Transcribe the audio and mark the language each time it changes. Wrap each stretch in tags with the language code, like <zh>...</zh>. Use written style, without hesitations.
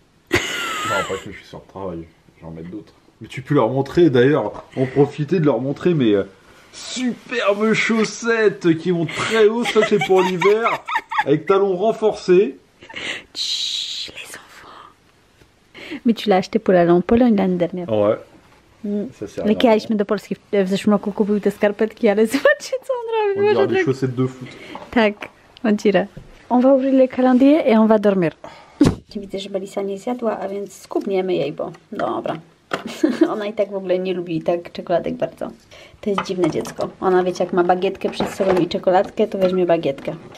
<fr>Non, après que je suis sur le travail, j'en mets d'autres. Mais tu peux leur montrer, d'ailleurs, en profiter de leur montrer mes superbes chaussettes qui vont très haut, ça c'est pour l'hiver, avec talons renforcés. Chut, les enfants. Mais tu l'as acheté pour aller en Pologne l'année dernière. Ouais. Mmh. Ça sert à rien.</fr> <pl>Lekaliśmy do Polski w zeszłym roku, kupił te skarpetki, ale zobaczcie co on robi.</pl> <fr>On dirait des chaussettes de foot.</fr> <pl>Tak,</pl> <fr>on dirait. On va ouvrir le calendrier et on va dormir.</fr> <pl>Widzę, że Belisa nie zjadła, a więc skubniemy jej, bo dobra. Ona i tak w ogóle nie lubi tak czekoladek bardzo. To jest dziwne dziecko. Ona, wiecie, jak ma bagietkę przed sobą i czekoladkę, to weźmie bagietkę.</pl>